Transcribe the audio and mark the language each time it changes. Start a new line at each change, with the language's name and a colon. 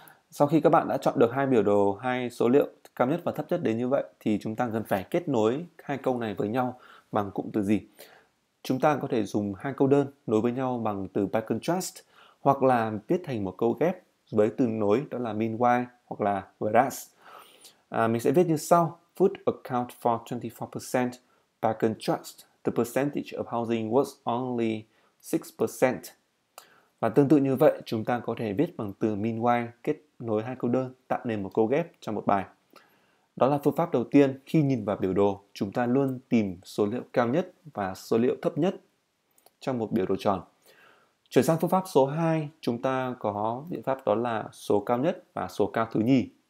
Vietnamese: Sau khi các bạn đã chọn được hai biểu đồ, hai số liệu cao nhất và thấp nhất đến như vậy thì chúng ta cần phải kết nối hai câu này với nhau bằng cụm từ gì? Chúng ta có thể dùng hai câu đơn nối với nhau bằng từ by contrast hoặc là viết thành một câu ghép với từ nối đó là meanwhile hoặc là whereas. Mình sẽ viết như sau:
English: Food account for 24%. By contrast, the percentage of housing was only 6%.
Vietnamese: Và tương tự như vậy, chúng ta có thể viết bằng từ meanwhile kết nối hai câu đơn tạo nên một câu ghép trong một bài. Đó là phương pháp đầu tiên, khi nhìn vào biểu đồ, chúng ta luôn tìm số liệu cao nhất và số liệu thấp nhất trong một biểu đồ tròn. Chuyển sang phương pháp số 2, chúng ta có biện pháp đó là số cao nhất và số cao thứ nhì.